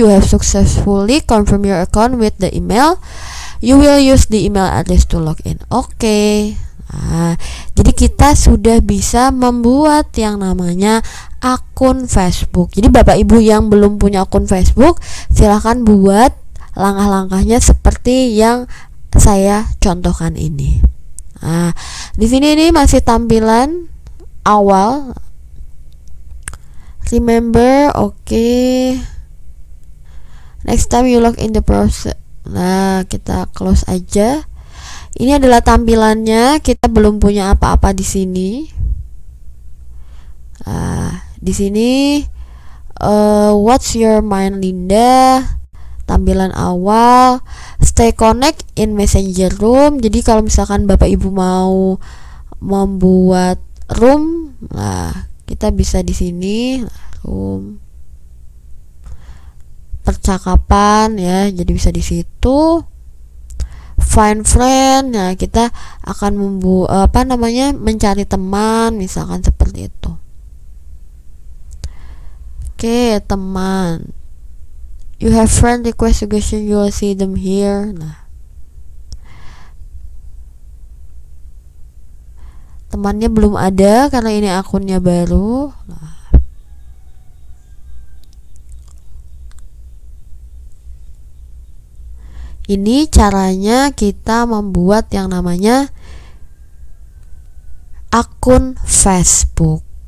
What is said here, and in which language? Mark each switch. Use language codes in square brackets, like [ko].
[en] You have successfully confirmed your account with the email. You will use the email address to log in. [id] Oke. Nah, jadi kita sudah bisa membuat yang namanya akun Facebook. Jadi Bapak Ibu yang belum punya akun Facebook, silakan buat langkah-langkahnya seperti yang saya contohkan ini. Nah, di sini ini masih tampilan awal. [en] Remember, okay. Next time you log in the process. [id] Nah, kita close aja. Ini adalah tampilannya. Kita belum punya apa-apa di sini. Di sini, [en] what's your mind, Linda? [id] Tampilan awal. [en] Stay connect in Messenger room. [id] Jadi kalau misalkan Bapak Ibu mau membuat room, nah, kita bisa di sini. Percakapan ya, jadi bisa di situ. [en] Find friend, [id] ya kita akan mencari teman, misalkan seperti itu. Oke, teman. [en] You have friend request suggestion, you will see them here. [id] Nah. Temannya belum ada karena ini akunnya baru. Nah. Ini caranya kita membuat yang namanya akun Facebook.